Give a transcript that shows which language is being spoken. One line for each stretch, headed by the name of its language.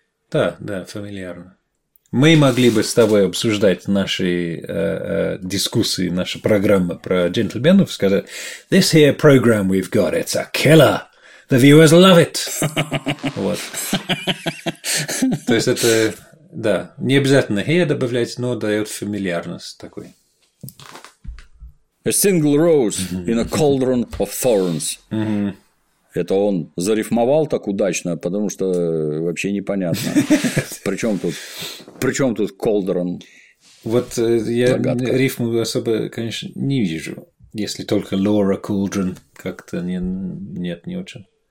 Russian: Да, фамильярно. Мы могли бы с тобой обсуждать наши дискуссии, наши программы про джентльменов, сказать,
English: this here program we've got, it's a killer! The viewers love it.
Russian: Вот. То есть это, да, не обязательно here добавлять, но дает фамильярность такой.
English: A single rose in a cauldron of thorns.
Russian: Это он зарифмовал так удачно, потому что вообще непонятно. При чем тут cauldron? Вот я рифму особо, конечно, не вижу. Если только Laura Cauldron как-то не очень.